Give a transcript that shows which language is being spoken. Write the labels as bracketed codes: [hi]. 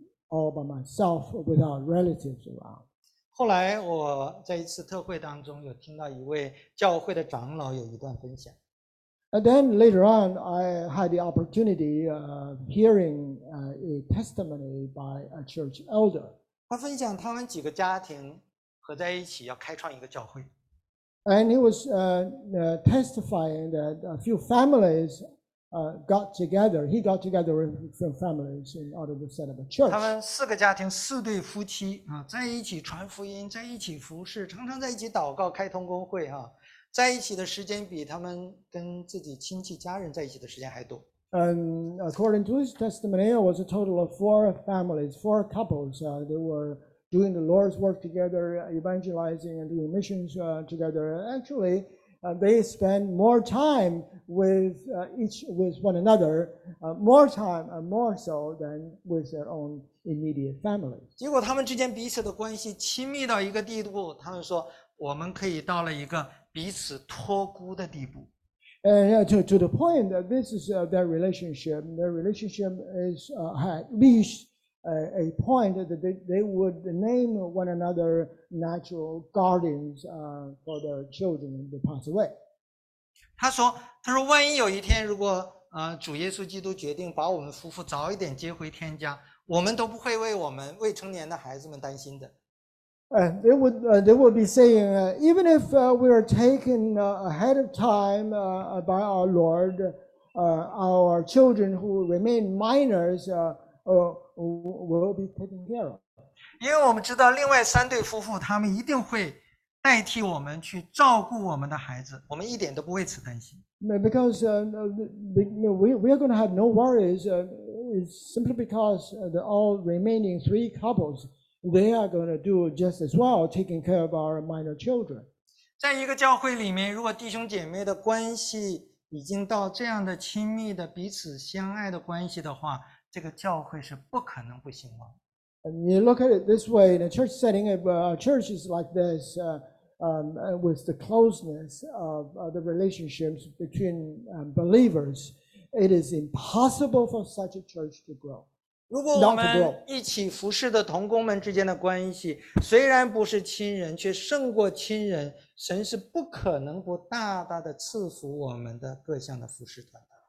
[en] All by myself, without relatives around. [zh] 后来我在一次特会当中有听到一位教会的长老有一段分享。 [en] And then later on, I had the opportunity hearing a testimony by a church elder. [zh] 他分享他们几个家庭合在一起要开创一个教会。 [en] And he was testifying that a few families. Got together. He got together with some families in order to set up a church. [zh] 他们四个家庭，四对夫妻啊，在一起传福音，在一起服事，常常在一起祷告、开同工会啊，在一起的时间比他们跟自己亲戚家人在一起的时间还多。 [en] According to his testimony, it was a total of four families, four couples. They were doing the Lord's work together, evangelizing and doing missions together. Actually. They spend more time with each with one another, more time and more so than with their own immediate family. [zh] 结果他们之间彼此的关系亲密到一个地步，他们说我们可以到了一个彼此托孤的地步。 [en] To the point that this is their relationship. Their relationship is had reached a point that they would name one another. Natural guardians for their children when they pass away. [zh] 他说万一有一天如果主耶稣基督决定把我们夫妇早一点接回天家，我们都不会为我们未成年的孩子们担心的。 [en] They would be saying, even if we are taken ahead of time by our Lord, our children who remain minors will be taken care of. [zh] 因为我们知道另外三对夫妇他们一定会代替我们去照顾我们的孩子，我们一点都不为此担心。 [en] Because we are going to have no worries, it's simply because the all remaining three couples, they are going to do just as well, taking care of our minor children. [zh] 在一个教会里面，如果弟兄姐妹的关系已经到这样的亲密的彼此相爱的关系的话，这个教会是不可能不兴旺。 [en] And you look at it this way, in a church setting, if a church is like this, with the closeness of the relationships between believers, it is impossible for such a church to grow. [zh] 如果我们一起服侍的同工们之间的关系，虽然不是亲人，却胜过亲人，神是不可能不大大的赐福我们的各项的服侍团。